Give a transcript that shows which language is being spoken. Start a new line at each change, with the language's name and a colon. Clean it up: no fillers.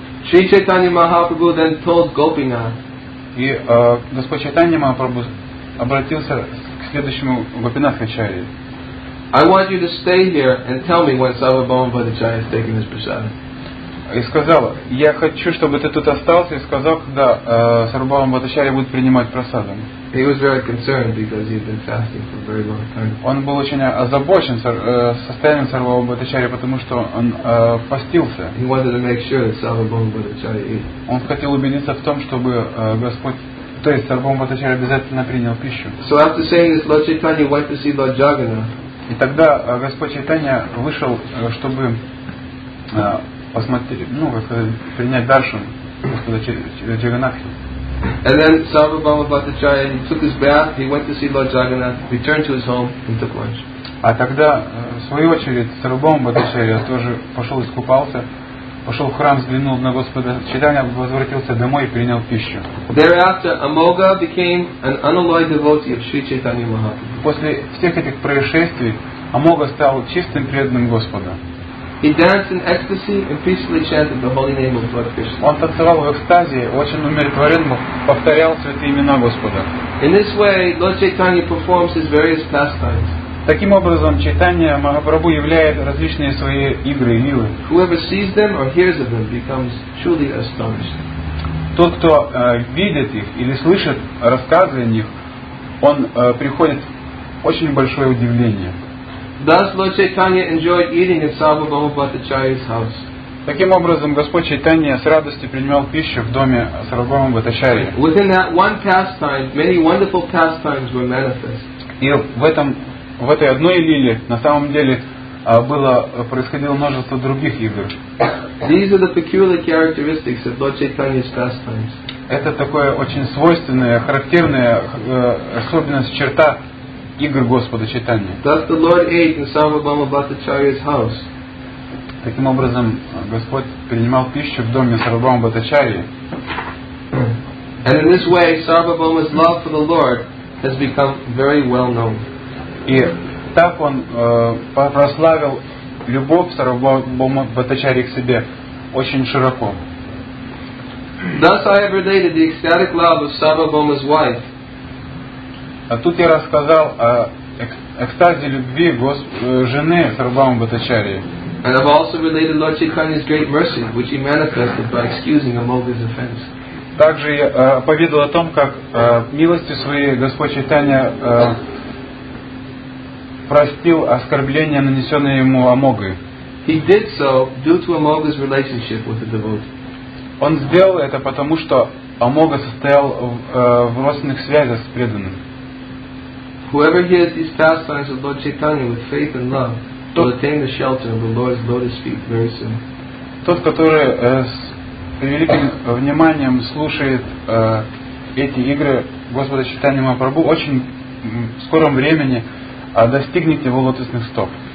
English: Shri Chaitanya Mahaprabhu then told Gopinath.
Russian: И Господь Чайтанья Махапрабху обратился к следующему Гопинатху Ачарье.
English: I want you to stay here and tell me when Sarvabhauma Bhattacharya has taken his prasada.
Russian: и сказал, я хочу, чтобы ты тут остался, и сказал, когда Сарубхава Бхаттачарья будет принимать прасадам.
English: He was very concerned because he'd been fasting for a very long time.
Russian: Он был очень озабочен состоянием Сарубхава Бхаттачарья, потому что он постился.
English: He wanted to make sure that Сарубхава Бхаттачарья ate.
Russian: Он хотел убедиться в том, чтобы Господь, то есть Сарубхава Бхаттачарья обязательно принял пищу.
English: So after saying this, Lord Chaitanya went to see Lord Jagannath.
Russian: И тогда Господь Чайтанья вышел, чтобы посмотреть, ну, как сказать, принять даршан, Джаганнатхи.
English: And then Sarvabhauma Bhattacharya, he took his bath, he went to see Lord Jagannath, returned to his home and took lunch.
Russian: А тогда, в свою очередь, Сарубхаума Бхаттачарья тоже пошел искупался, пошел в храм, взглянул на Господа Чайтанья, возвратился домой и принял пищу.
English: Thereafter, Amogha became an unalloyed devotee of Sri Chaitanya Mahaprabhu.
Russian: После всех этих происшествий Амога стал чистым преданным Господа.
English: He danced in ecstasy and peacefully chanted the holy name of Lord Krishna.
Russian: Он танцевал в экстазе, очень умиротворенно повторял святые имена Господа.
English: In this way, Lord Chaitanya performs his various pastimes.
Russian: Таким образом, Чайтанья Махапрабху являет различные свои игры и лилы.
English: Whoever sees them or hears of them becomes truly astonished.
Russian: Тот, кто видит их или слышит рассказы о них, он приходит очень большое удивление.
English: Thus, Lord Chaitanya enjoyed eating at Sarvabhauma Bhattacharya's house.
Russian: Таким образом, Господь Чайтанья с радостью принимал пищу в доме Сарвабхаума Бхаттачарьи.
English: Within that one pastime, many wonderful pastimes were manifest.
Russian: И в этой одной лиле, на самом деле, происходило множество других игр.
English: These are the peculiar characteristics of Lord Chaitanya's pastimes.
Russian: Это такое очень свойственная, характерная особенность, черта игр Господа Чайтанья.
English: Thus the Lord ate in Sarvabhauma Bhattacharya's house.
Russian: Таким образом, Господь принимал пищу в доме Сарвабхаума Бхаттачарьи.
English: And in this way, Sarvabhauma's love for the Lord has become very well known.
Russian: И так он прославил любовь Сарвабхаума Бхаттачарьи к себе очень широко.
English: Thus I have related the ecstatic love of Sarvabhauma's wife.
Russian: А тут я рассказал о экстазе любви жены Сарвабхаума Бхаттачарьи.
English: And I've also related Lord Chaitanya's great mercy, which he manifested by excusing Amoga's offense.
Russian: Также я поведал о том, как милости свои Господь Чайтанья простил оскорбления, нанесенные ему Амогой.
English: He did so due to Amoga's relationship with the devotee.
Russian: Он сделал это потому, что Амога состоял в родственных связях с преданным.
English: Whoever hears these pastimes of Lord Chaitanya with faith and love will attain the shelter of the Lord's lotus feet very soon.
Russian: Тот, который с великим вниманием слушает эти игры Господа Чайтанья Махапрабху, очень в скором времени достигнет его лотосных стоп.